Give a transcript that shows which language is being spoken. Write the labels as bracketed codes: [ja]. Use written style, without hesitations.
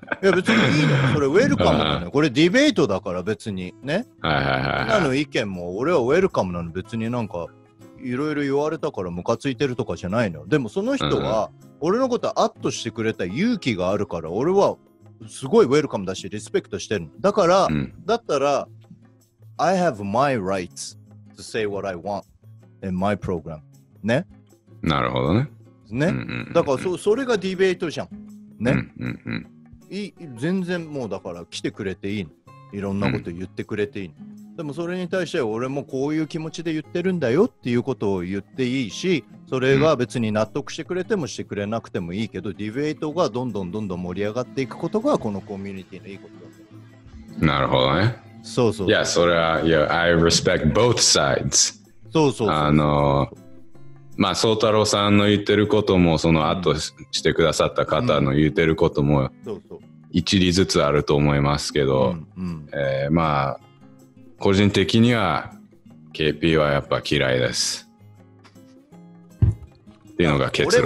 [ja] いや別にいいの、それウェルカムだね、これディベートだから別にね、はいはいはい、みんなの意見も俺はウェルカムなの、別になんかいろいろ言われたからムカついてるとかじゃないの。でもその人は俺のことアットしてくれた勇気があるから俺はすごいウェルカムだしリスペクトしてるの。だから、うん、だったら [en] I have my rights to say what I want in my program ね。 [ja] なるほどね。ね。だから それがディベートじゃん。ね。うんうんうん、全然もうだから来てくれていいの。いろんなこと言ってくれていいの。うん、でもそれに対して俺もこういう気持ちで言ってるんだよっていうことを言っていいし、それが別に納得してくれてもしてくれなくてもいいけど、うん、ディベートがどんどんどんどん盛り上がっていくことがこのコミュニティのいいことだ。なるほどね。そうそう。いや、それは、いや、 [en] I respect both sides。 [ja] そうそう。まあ、宗太郎さんの言ってることも、その後してくださった方の言ってることも、そうそう。一理ずつあると思いますけど、うんうん、まあ、個人的には KP はやっぱ嫌いですっていうのが結論。